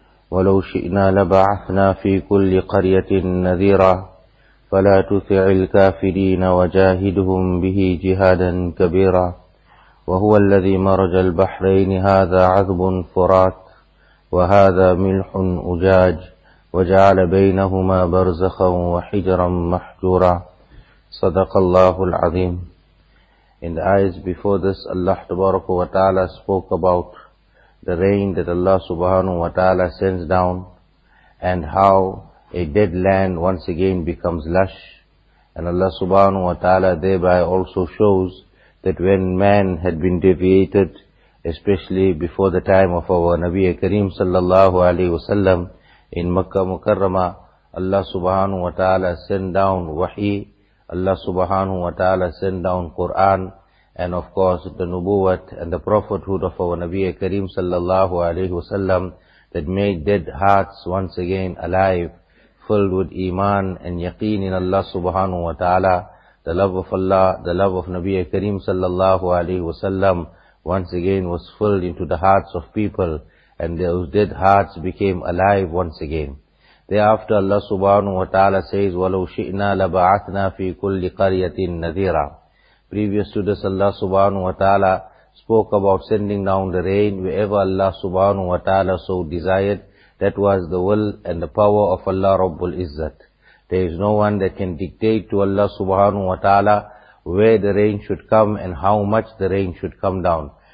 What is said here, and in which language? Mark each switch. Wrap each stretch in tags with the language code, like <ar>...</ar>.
<ar>ولو شئنا لبعثنا في كل قرية نذيرا فلا تطع الكافرين وجاهدهم به جهادا كبيرا. وهو الذي مرج البحرين هذا عذب فرات وهذا ملح أجاج وجعل بينهما برزخا وحجرا محجورا. صدق الله العظيم.</ar> <en>In the ayahs before this, Allah Tabaraka wa Ta'ala spoke about the rain that Allah Subhanahu wa Ta'ala sends down and how a dead land once again becomes lush. And Allah Subhanahu wa Ta'ala thereby also shows that when man had been deviated, especially before the time of our Nabi Kareem Sallallahu Alaihi Wasallam in Makkah Mukarrama, Allah Subhanahu wa Ta'ala sent down wahi. Allah Subhanahu wa Ta'ala sent down Quran and of course the Nubuwat and the prophethood of our Nabi Kareem Sallallahu Alaihi Wasallam that made dead hearts once again alive, filled with Iman and Yaqeen in Allah Subhanahu wa Ta'ala. The love of Allah, the love of Nabi Kareem Sallallahu Alaihi Wasallam once again was filled into the hearts of people and those dead hearts became alive once again. Thereafter Allah Subhanahu wa Ta'ala says,</en> <ar>وَلَوْ شِئْنَا لَبَعَثْنَا فِي كُلِّ قَرْيَةٍ نَذِيرًا.</ar> <en>Previous to this, Allah Subhanahu wa Ta'ala spoke about sending down the rain wherever Allah Subhanahu wa Ta'ala so desired. That was the will and the power of Allah Rabbul Izzat. There is no one that can dictate to Allah Subhanahu wa Ta'ala where the rain should come and how much the rain should come down.</en>